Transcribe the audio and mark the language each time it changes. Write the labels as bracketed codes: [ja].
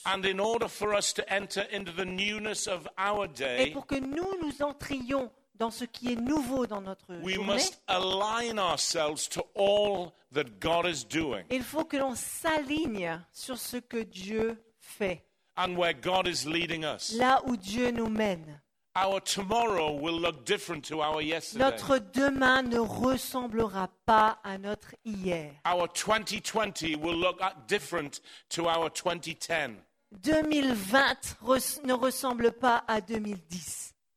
[en] And in order for us to enter into the newness of our day, [fr] et pour que nous entrions dans ce qui est nouveau dans notre [en] we [fr] journée, [en] must align ourselves to all that God is doing. [fr] Il faut que l'on s'aligne sur ce que Dieu fait. [en] And where God is leading us. [fr] Là où Dieu nous mène. [en] Our tomorrow will look different to our yesterday. [fr] Notre demain ne ressemblera pas à notre hier. [en] Our 2020 will look different to our 2010. [fr] 2020 ne ressemble pas à 2010.